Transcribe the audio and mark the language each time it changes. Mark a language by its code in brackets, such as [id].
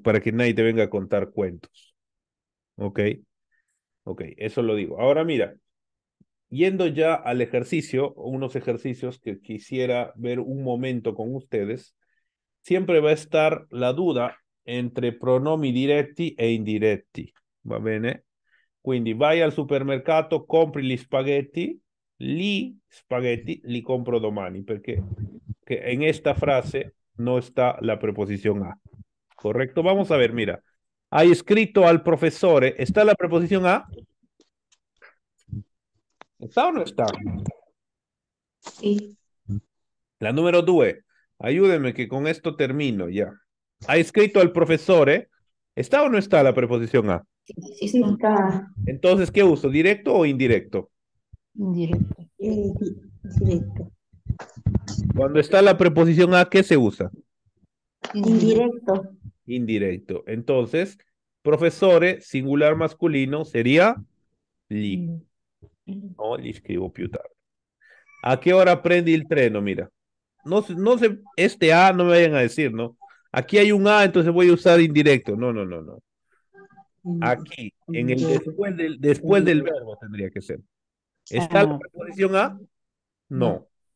[es] Para que nadie te venga a contar cuentos. ¿Ok? Ok, eso lo digo. Ahora mira, yendo ya al ejercicio, unos ejercicios que quisiera ver un momento con ustedes, siempre va a estar la duda entre pronomi diretti e indiretti. ¿Va bien, eh? [it] Quindi, vai al supermercato, compri gli spaghetti, li compro domani, perché che in questa frase non sta la preposizione a. Corretto? [es] Vamos a ver, mira. [it] Hai scritto al professore, sta la preposizione a? Sta o non sta? Sì. La numero due. Aiutami che con questo termino già. Hai scritto al professore, sta o non sta la preposizione a? Sì, sì, sta. [es] Entonces, ¿qué uso? ¿Directo o indirecto? Indirecto. Indirecto. Cuando está la preposición a, ¿qué se usa? Indirecto. Indirecto. Entonces, profesore, singular masculino, sería gli. No, gli escribo più tarde. ¿A qué hora prende el treno? Mira. No sé, este a no me vayan a decir, ¿no? Aquí hay un a, entonces voy a usar indirecto. No, no, no, no. Aquí, en el después del verbo tendría que ser. ¿Está la preposición a? No.